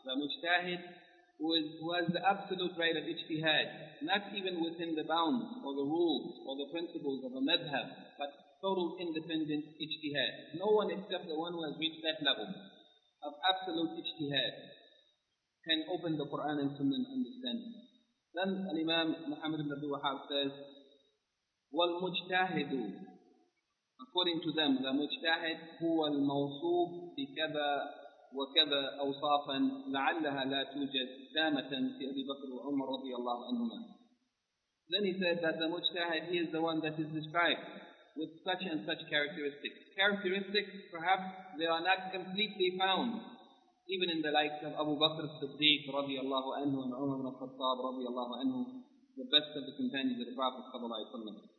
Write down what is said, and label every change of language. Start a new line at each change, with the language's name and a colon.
English: The Mujtahid who has the absolute right of ijtihad, not even within the bounds or the rules or the principles of a madhab, but total independent ijtihad. No one except the one who has reached that level of absolute ijtihad can open the Qur'an and Sunnah and understand. Then Al-Imam Muhammad ibn Abdul Wahhab says,
Arabic: وَالْمُجْتَهِدُ,
English: according to them, the mujtahid,
Arabic: هو الموصوب بكذا وكذا أوصافا لعلها لا توجد تامة في أبي بكر وعمر رضي الله عنهما.
English: Then he said that the mujtahid, he is the one that is described with such and such characteristics. Characteristics, perhaps, they are not completely found even in the likes of Abu Bakr al-Siddiq radiyallahu anhu and Umar ibn al-Khattab radiyallahu anhu, the best of the companions of the Prophet sallallahu alayhi wa sallam.